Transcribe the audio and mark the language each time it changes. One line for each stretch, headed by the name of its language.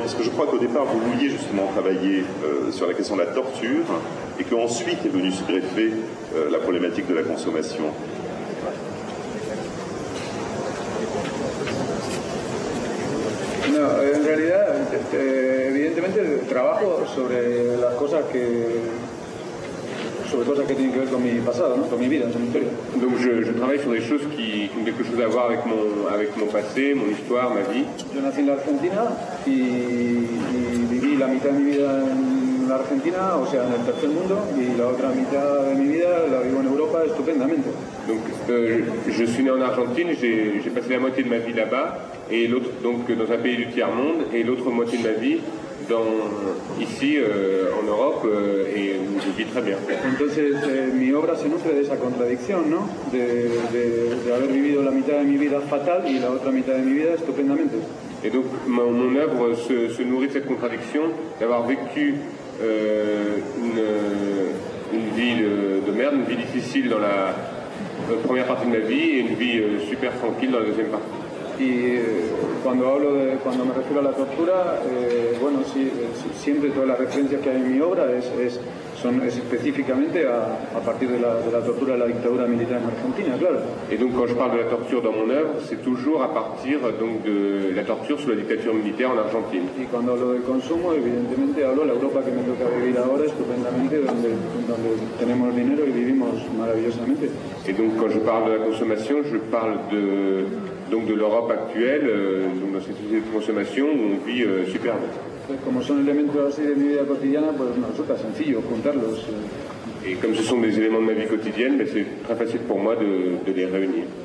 French: Parce que je crois qu'au départ, vous vouliez justement travailler sur la question de la torture et qu'ensuite est venue se greffer la problématique de la consommation. Non, en réalité, évidemment, je travaille sur les choses que...
Spanish: sobre cosas que tienen que ver con mi pasado, ¿no? Con mi vida, con mi historia.
French: Donc je travaille sur des choses qui ont quelque chose à voir avec mon passé, mon histoire, ma vie.
Spanish: Yo nací en la Argentina y viví la mitad de mi vida en la Argentina, o sea, en el tercer mundo, y la otra mitad de mi vida la vivo en Europa estupendamente.
French: Donc je suis né en Argentine, j'ai passé la moitié de ma vie là-bas, et l'autre, donc dans un pays du tiers monde, et l'autre moitié de ma vie ici en Europe, et je vis très bien.
Spanish: Entonces, mi obra se nutre de esa contradicción, ¿no? De haber vivido la mitad de mi vida fatal y la otra mitad de mi vida estupendamente.
French: Et donc, mon œuvre se nourrit de cette contradiction d'avoir vécu une vie de merde, une vie difficile dans la première partie de ma vie et une vie super tranquille dans la deuxième partie.
Spanish: Y cuando me refiero a la tortura, bueno, sí, siempre todas las referencias que hay en mi obra son específicamente a partir de la tortura de la dictadura militar en Argentina, claro.
French: Y donc quand je parle de la torture dans mon œuvre, c'est toujours à partir donc de la torture sous la dictature militaire en Argentine.
Spanish: Y cuando hablo del consumo, evidentemente hablo de la Europa que me toca vivir ahora estupendamente, donde tenemos dinero y vivimos maravillosamente.
French: Y donc quand je parle de la consommation, je parle de l'Europe actuelle, donc dans cette société de consommation où on vit super bien. Comme sont des éléments aussi de ma vie quotidienne,
Spanish: pues no resulta sencillo juntarlos.
French: Et comme ce sont des éléments de ma vie quotidienne, ben c'est très facile pour moi de les réunir.